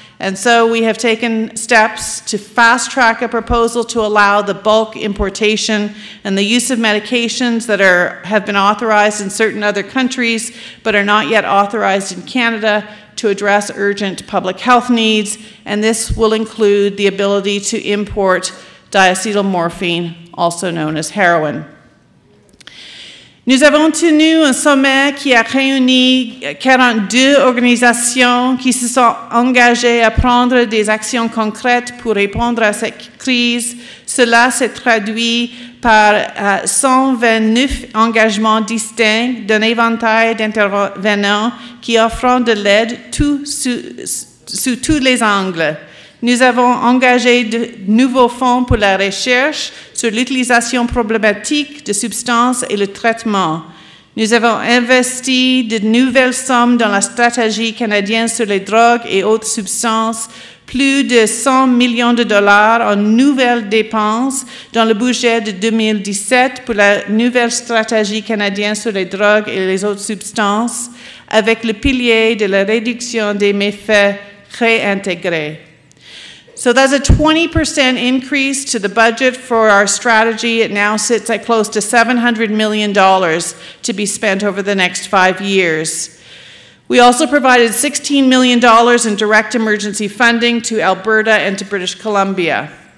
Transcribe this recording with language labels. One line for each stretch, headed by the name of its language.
English: And so we have taken steps to fast-track a proposal to allow the bulk importation and the use of medications that have been authorized in certain other countries but are not yet authorized in Canada to address urgent public health needs, and this will include the ability to import diacetylmorphine, also known as heroin.
French: Nous avons tenu un sommet qui a réuni 42 organisations qui se sont engagées à prendre des actions concrètes pour répondre à cette crise. Cela s'est traduit par 129 engagements distincts d'un éventail d'intervenants qui offrent de l'aide sous tous les angles. Nous avons engagé de nouveaux fonds pour la recherche sur l'utilisation problématique de substances et le traitement. Nous avons investi de nouvelles sommes dans la stratégie canadienne sur les drogues et autres substances, plus de 100 millions de dollars en nouvelles dépenses dans le budget de 2017 pour la nouvelle stratégie canadienne sur les drogues et les autres substances, avec le pilier de la réduction des méfaits réintégrés.
English: So that's a 20% increase to the budget for our strategy. It now sits at close to $700 million to be spent over the next 5 years. We also provided $16 million in direct emergency funding to Alberta and to British Columbia.